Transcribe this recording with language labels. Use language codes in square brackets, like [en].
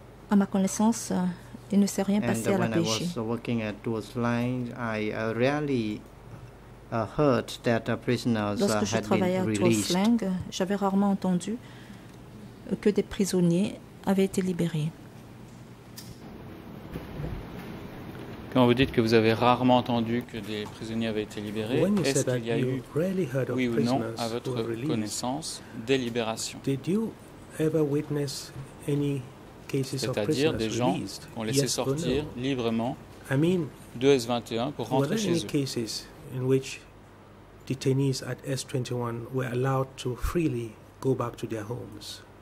[fr] À ma connaissance, il ne s'est rien passé à la PJ. [en] And when I was working at those lines, I rarely heard that prisoners had been released. [fr] Lorsque je travaillais à Tulsleng, j'avais rarement entendu que des prisonniers avaient été libérés. Quand vous dites que vous avez rarement entendu que des prisonniers avaient été libérés, est-ce qu'il y a eu, oui ou non, à votre connaissance, des libérations? C'est-à-dire des gens qui ont laissé sortir librement de S21 pour rentrer chez eux. [en] Cases in which detainees at S21 were allowed to freely go back to their homes?